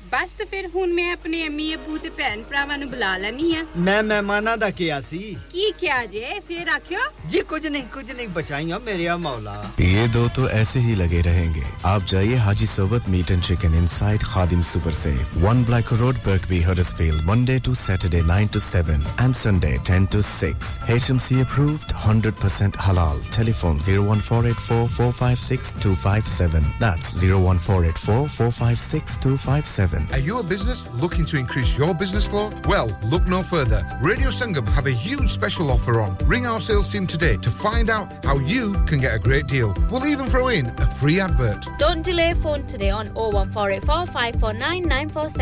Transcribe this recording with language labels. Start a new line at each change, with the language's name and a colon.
Punjabi: بس تے پھر ہن میں اپنے امی ابو تے بہن بھراواں نوں بلا لینی ہاں میں مہماناں دا کیا سی کی کیا جے پھر آکھیو جی کچھ نہیں بچائیو میرے مولا
Urdu: یہ دو تو ایسے ہی لگے رہیں گے آپ جائیے
English: Haji Sohbat meat and chicken inside Khadim super سے one black road Birkby Huddersfield Monday to Saturday 9 to 7 and Sunday 10 to 6 H M C approved 100% حلال telephone 01484456257 that's 01484456257 Are you a business looking to increase your business flow? Well, look no further. Radio Sangam have a huge special offer on. Ring our sales team today to find out how you can get a great deal. We'll even throw in a free advert. Don't delay, phone today on 01484549947.